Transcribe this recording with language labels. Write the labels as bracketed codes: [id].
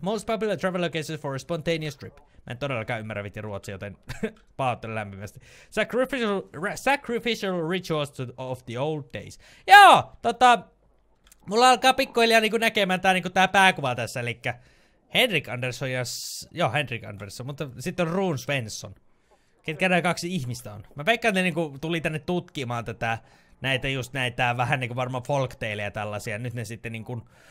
[en] Most popular travel locations for a spontaneous trip. [fi] Mä en todellakaan ymmärrä vitti ruotsia, joten pahoittelen lämpimästi. [en] Sacrificial rituals of the old days. [fi] Joo, tota... Mulla alkaa pikkuhiljaa niinku näkemään tää pääkuva tässä, elikkä... Henrik Andersson ja... Joo, Henrik Andersson, mutta sitten on Rune Svensson. Ketkä nää kaksi ihmistä on. Mä veikkaan, että ne niinku tuli tänne tutkimaan tätä... Näitä just näitä vähän niinku varmaan folkteileja tällaisia. Nyt ne sitten niinku...